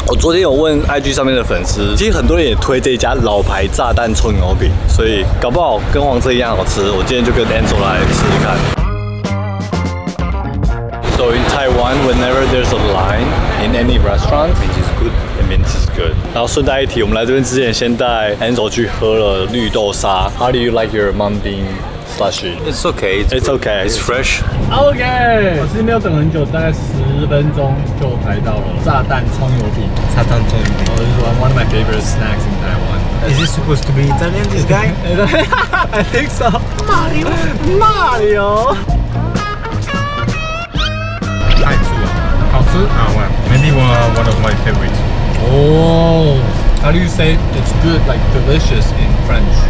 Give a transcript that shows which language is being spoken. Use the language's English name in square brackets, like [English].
[Chinese] 我昨天有问 IG 上面的粉丝，其实很多人也推这家老牌炸弹葱油饼，所以搞不好跟黄车一样好吃。我今天就跟 Enzo 来试试看。 [English] So in Taiwan, whenever there's a line in any restaurant, it is good. Mint is good. [Chinese] 然后顺带一提，我们来这边之前先带 Enzo 去喝了绿豆沙。 [English] How do you like your mung bean slushy? It's okay. It's okay. It's fresh. Okay. [Chinese] 我其实没有等很久，大概10分钟就排到了炸弹葱油饼。炸弹葱油饼。 [English] Oh, this is one of my favorite snacks in Taiwan. Is this supposed to be Italian? This guy? I think so. Mario. Mario. [Chinese] 太醋了。 Oh. 好吃 [English] 啊 ，Maybe one of my favorites. Oh, how do you say it's good, like delicious in French?